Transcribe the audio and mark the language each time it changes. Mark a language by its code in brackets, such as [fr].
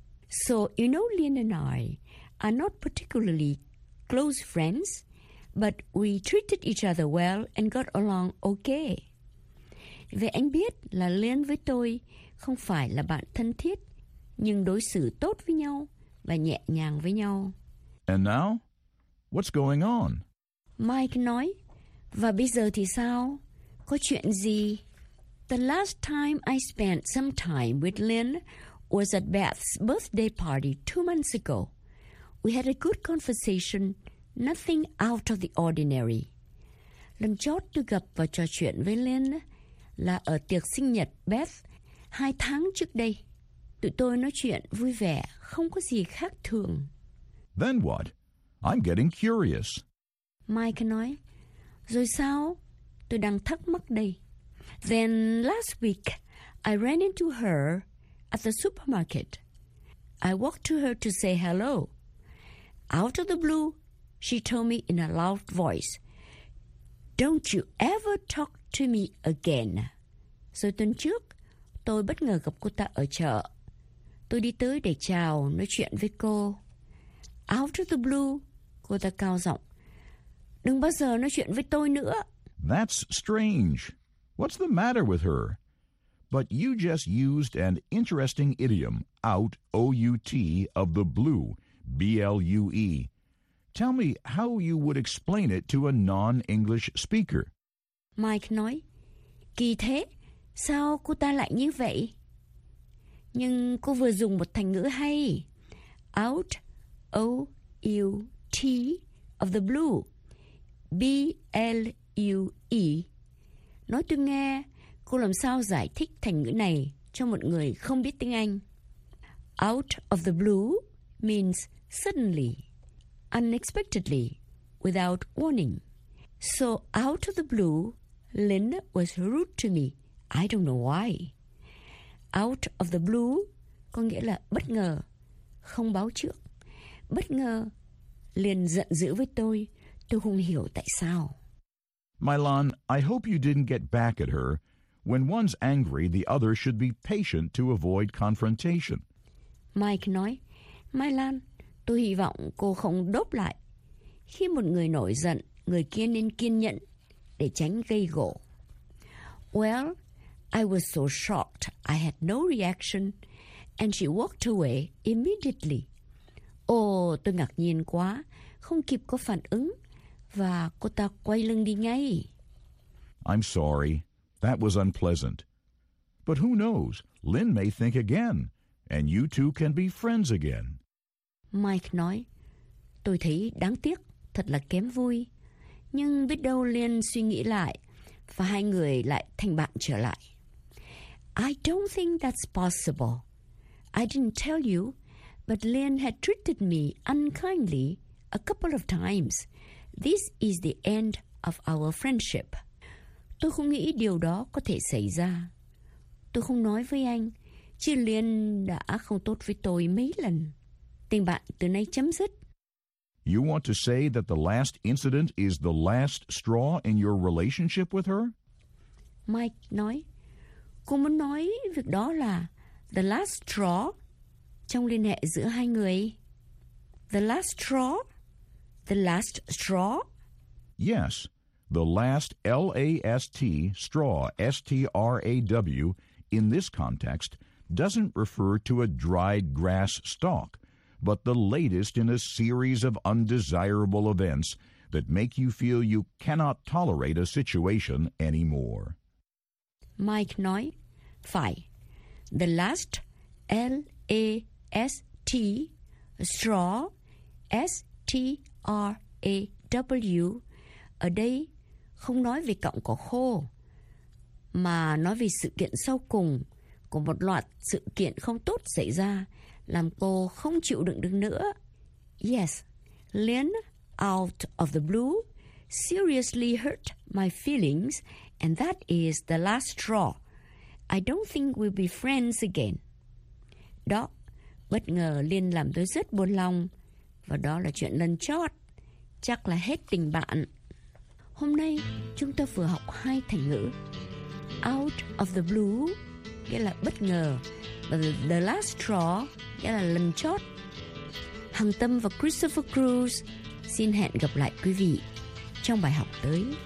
[en] So, you know Lynn and I are not particularly close friends, but we treated each other well and got along okay. [vi] Vậy anh biết là Lynn với tôi không phải là bạn thân thiết, nhưng đối xử tốt với nhau và nhẹ nhàng với nhau. [en] And now, what's going on? [vi] Mike nói, và bây giờ thì sao? Có chuyện gì? [en] The last time I spent some time with Lynn was at Beth's birthday party 2 months ago. We had a good conversation, nothing out of the ordinary. [vi] Lần chót tôi gặp và trò chuyện với Lynn là ở tiệc sinh nhật Beth 2 tháng trước đây. Tụi tôi nói chuyện vui vẻ, không có gì khác thường. [en] Then what? I'm getting curious. [vi] Mike nói, rồi sao? Tôi đang thắc mắc đây. [en] Then last week, I ran into her at the supermarket. I walked to her to say hello. Out of the blue, she told me in a loud voice, "Don't you ever talk to me again." [vi] Rồi tuần trước, tôi bất ngờ gặp cô ta ở chợ. Tôi đi tới để chào, nói chuyện với cô. [en] Out of the blue, [vi] cô ta cao giọng. Đừng bao giờ nói chuyện với tôi nữa. [en] That's strange. What's the matter with her? But you just used an interesting idiom, out, O-U-T, of the blue, B-L-U-E. Tell me how you would explain it to a non-English speaker. [vi] Mike nói, kỳ thế, sao cô ta lại như vậy? Nhưng cô vừa dùng một thành ngữ hay. [en] Out, O-U-T, of the blue, B-L-U-E. [vi] Nói tôi nghe, cô làm sao giải thích thành ngữ này cho một người không biết tiếng Anh? [en] Out of the blue means suddenly, unexpectedly, without warning. So out of the blue, Lynn was rude to me. I don't know why. Out of the blue [vi] có nghĩa là bất ngờ, không báo trước. Bất ngờ, Lynn giận dữ với tôi. Tôi không hiểu tại sao. [en] Mylon, I hope you didn't get back at her. When one's angry, the other should be patient to avoid confrontation. [vi] Mike nói, Mylon, tôi hy vọng cô không đốp lại. Khi một người nổi giận, người kia nên kiên nhẫn để tránh gây gổ. [en] Well, I was so shocked I had no reaction, and she walked away immediately. [vi] Oh, tôi ngạc nhiên quá, không kịp có phản ứng, và cô ta quay lưng đi ngay. [en] I'm sorry. That was unpleasant. But who knows? Lynn may think again, and you two can be friends again. [vi] Mike nói, tôi thấy đáng tiếc, thật là kém vui. Nhưng biết đâu Lynn suy nghĩ lại, và hai người lại thành bạn trở lại. [en] I don't think that's possible. I didn't tell you, but Lynn had treated me unkindly a couple of times. This is the end of our friendship. [vi] Tôi không nghĩ điều đó có thể xảy ra. Tôi không nói với anh, chứ Lynn đã không tốt với tôi mấy lần. Tình bạn từ nay chấm dứt. [en] You want to say that the last incident is the last straw in your relationship with her? [vi] Mike nói, cô muốn nói việc đó là [en] the last straw [vi] trong liên hệ giữa hai người. [en] The last straw? The last straw? Yes. The last L-A-S-T, straw, S-T-R-A-W, in this context, doesn't refer to a dried grass stalk, but the latest in a series of undesirable events that make you feel you cannot tolerate a situation anymore. [vi] Mike nói, phải, [en] the last L-A-S-T, straw, S-T-R-A-W, [vi] ở đây, không nói về cọng cỏ khô, mà nói về sự kiện sau cùng của một loạt sự kiện không tốt xảy ra, làm cô không chịu đựng được nữa. [en] Yes, Lynn, out of the blue, seriously hurt my feelings, and that is the last straw. I don't think we'll be friends again. [vi] Đó, bất ngờ Lynn làm tôi rất buồn lòng, và đó là chuyện lần chót, chắc là hết tình bạn. Hôm nay, chúng ta vừa học hai thành ngữ. [en] Out of the blue, [vi] nghĩa là bất ngờ. Và [en] the last straw, [vi] nghĩa là lần chót. Hằng Tâm và Christopher Cruz xin hẹn gặp lại quý vị trong bài học tới.